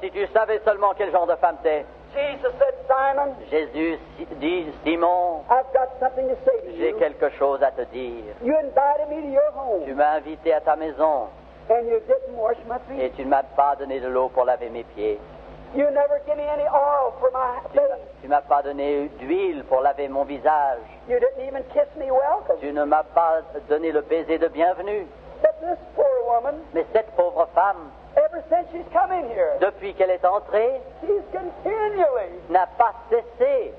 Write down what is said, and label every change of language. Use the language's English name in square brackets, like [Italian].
[French] si tu savais seulement quel genre de femme t'es, [English] Jesus said, Simon, [French] Jésus dit, Simon, [English] I've got something to say to you. [French] J'ai quelque chose à te dire. [English] You invited me to your home. [French] Tu m'as invité à ta maison. [English] And you didn't wash my feet. [French] Et tu ne m'as pas donné de l'eau pour laver mes pieds. [English] You never give me any oil for my face. [French] Tu ne m'as pas donné d'huile pour laver mon visage. [English] You didn't even kiss me welcome. [French] Tu ne m'as pas donné le baiser de bienvenue. [English] But this poor woman, [French] mais cette pauvre femme, [English] ever since she's come in here, [French] depuis qu'elle est entrée, [English] she's continually [French] n'a pas cessé